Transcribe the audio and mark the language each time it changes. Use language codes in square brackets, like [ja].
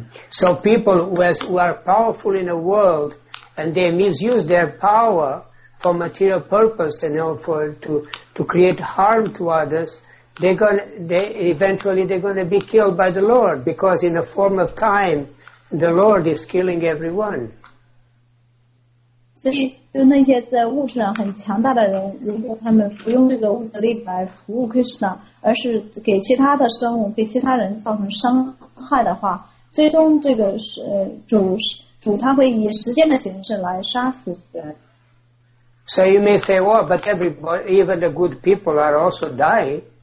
[en] So, people who are powerful in the world, and they misuse their power for material purpose and, you know, for to create harm to others, they're going to be killed by the Lord, because in the form of time the Lord is killing everyone. [zh] So, 就那些在物质上很强大的人，如果他们不用这个物质力来服务 Krishna， 而是给其他的生物、给其他人造成伤害的话，最终这个主是。 [en] So you may say, well, but everybody, even the good people are also dying.